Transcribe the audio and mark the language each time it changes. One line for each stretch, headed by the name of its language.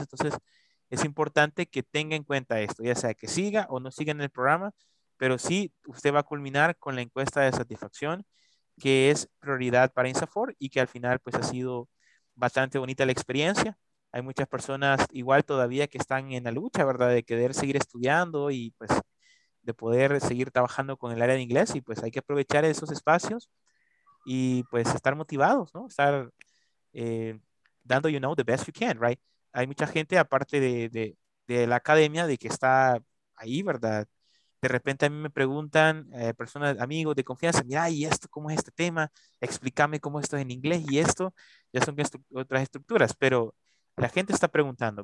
Spanish: Entonces, es importante que tenga en cuenta esto, ya sea que siga o no siga en el programa, pero sí, usted va a culminar con la encuesta de satisfacción, que es prioridad para INSAFOR y que al final pues ha sido bastante bonita la experiencia. Hay muchas personas igual todavía que están en la lucha, ¿verdad? De querer seguir estudiando y pues de poder seguir trabajando con el área de inglés. Y pues hay que aprovechar esos espacios y pues estar motivados, ¿no? Estar dando,
English: you know, the best you can, right?
Spanish: Hay mucha gente aparte de la academia de que está ahí, ¿verdad? De repente a mí me preguntan personas, amigos de confianza, mira, ¿y esto cómo es este tema? Explícame cómo esto es en inglés y esto. Ya son otras estructuras, pero la gente está preguntando.